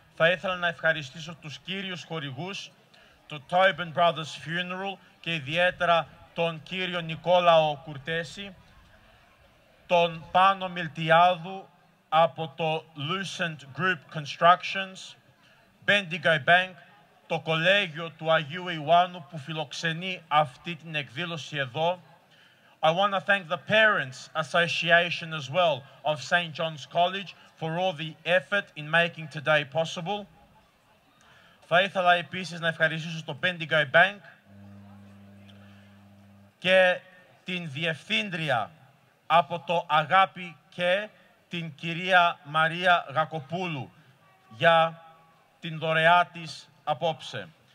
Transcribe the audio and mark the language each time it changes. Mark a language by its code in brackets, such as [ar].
[el] Θα ήθελα να ευχαριστήσω τους κύριους χορηγούς, το Tobin Brothers Funeral και ιδιαίτερα τον κύριο Νικόλαο Κουρτέση, τον Πάνο Μιλτιάδου από το Lucent Group Constructions, Bendigo Bank, το κολέγιο του Αγίου Ιωάννου που φιλοξενεί αυτή την εκδήλωση εδώ. [en] I want to thank the Parents Association as well of St. John's College for all the effort in making today possible. [el] Θα ήθελα επίσης να ευχαριστήσω το Bendigo Bank και την Διευθύντρια από το Αγάπη και την κυρία Μαρία Γακοπούλου για την δωρεά της απόψε.